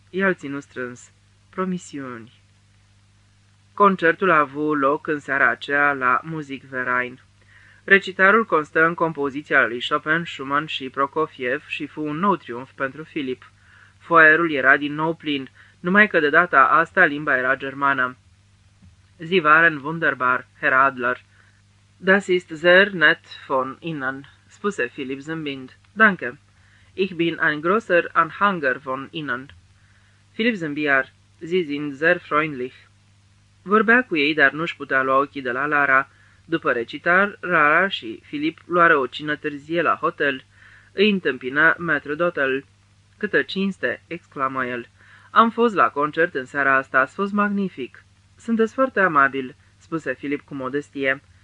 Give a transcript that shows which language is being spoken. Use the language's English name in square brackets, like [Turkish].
[Romanian] I-a ținut strâns. "Promisiuni." Concertul a avut loc în seara aceea la Musikverein. Recitarul constă în compoziția lui Chopin, Schumann și Prokofiev și fu un nou triumf pentru Filip. Foaierul era din nou plin, numai că de data asta limba era germană. [German] "Sie waren wunderbar, Herr Adler." "Das ist sehr nett von Ihnen," [Romanian] spuse Filip zâmbind. [German] "Danke." "Ich bin ein großer Anhänger von Ihnen." [Romanian] Filip zâmbiar. [German] "Sie sind sehr freundlich." [Romanian] Vorbea cu ei, dar nu-și putea lua ochii de la Lara. După recitar, Lara și Filip luară o cină târzie la hotel. Îi întâmpină maître d'hôtel. "Câtă cinste!" exclamă el. "Am fost la concert în seara asta, a fost magnific." "Sunteți foarte amabil," spuse Filip cu modestie.